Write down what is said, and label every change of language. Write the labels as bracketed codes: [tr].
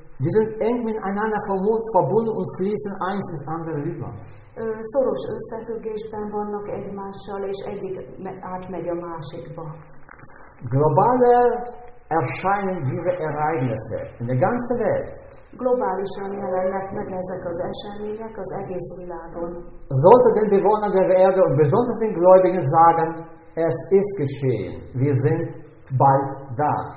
[de] Die sind eng miteinander verbunden und fließen eins ins andere über. [hu] Szoros összefüggésben vannak egymással, és egyik átmegy a másikba. [de] Globaler erscheinen diese Ereignisse in der ganzen Welt. [hu] Globálisan jelennek meg ezek az események az egész világon. [de] Sollte den Bewohner der Erde und besonders den Gläubigen sagen, es ist geschehen, wir sind bald da.